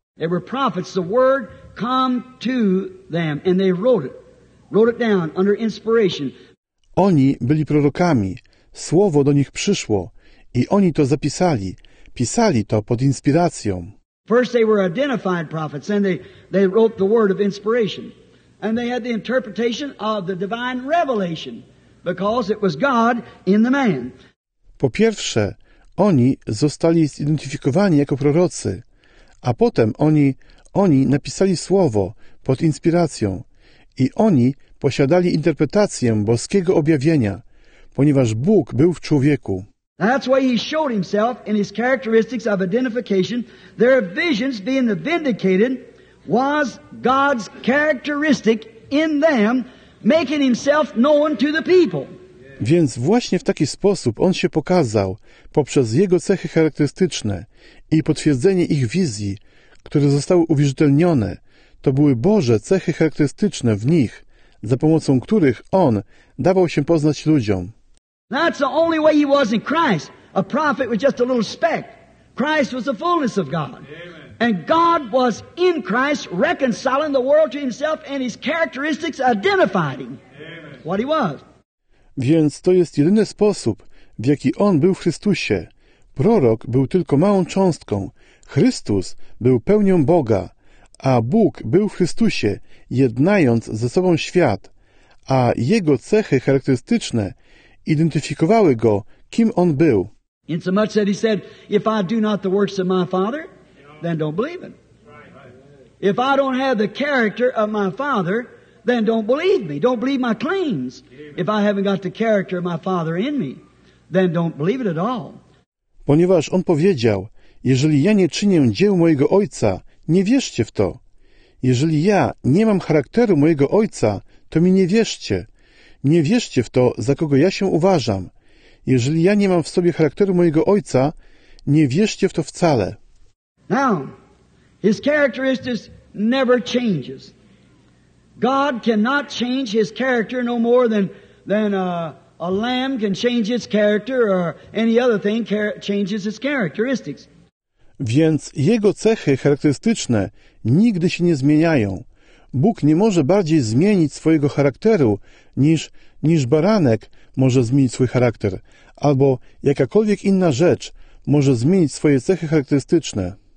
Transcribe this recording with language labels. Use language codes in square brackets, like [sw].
[en] They were prophets, the word come to them and they wrote it. Wrote it down under inspiration. [pl] Oni byli prorokami. Słowo do nich przyszło i oni to zapisali. Pisali to pod inspiracją. [en] First they were identified prophets, then they wrote the word of inspiration. And they had the interpretation of the divine revelation, because it was God in the man. [pl] Po pierwsze, oni zostali zidentyfikowani jako prorocy, a potem oni napisali słowo pod inspiracją i oni posiadali interpretację boskiego objawienia, ponieważ Bóg był w człowieku. [en] That's why he showed himself in his characteristics of identification. Their visions being the vindicated was God's characteristic in them, making himself known to the people. [pl] Więc właśnie w taki sposób on się pokazał poprzez jego cechy charakterystyczne i potwierdzenie ich wizji, które zostały uwierzytelnione. To były Boże cechy charakterystyczne w nich, za pomocą których on dawał się poznać ludziom. [en] That's the only way he was in Christ. A prophet was just a little speck. Christ was the fullness of God. Amen. And God was in Christ reconciling the world to himself, and his characteristics identified him. Amen. What he was. [pl] Więc to jest jedyny sposób, w jaki on był w Chrystusie. Prorok był tylko małą cząstką. Chrystus był pełnią Boga, a Bóg był w Chrystusie, jednając ze sobą świat, a jego cechy charakterystyczne identyfikowały go, kim on był. [en] In so much that he said, if I do not the works of my Father, then don't believe him. If I don't have the character of my Father, then don't believe me. Don't believe my claims. If I haven't got the character of my Father in me, then don't believe it at all. [pl] Ponieważ on powiedział, jeżeli ja nie czynię dzieł mojego Ojca, nie wierzcie w to. Jeżeli ja nie mam charakteru mojego Ojca, to mi nie wierzcie. Nie wierzcie w to, za kogo ja się uważam. Jeżeli ja nie mam w sobie charakteru mojego Ojca, nie wierzcie w to wcale. [en] Now, his characteristics never changes. God cannot change his character no more than a lamb can change its character or any other thing changes its characteristics. [pl] Więc jego cechy charakterystyczne nigdy się nie zmieniają. Bóg nie może bardziej zmienić swojego charakteru niż baranek może zmienić swój charakter, albo jakakolwiek inna rzecz może zmienić swoje cechy charakterystyczne.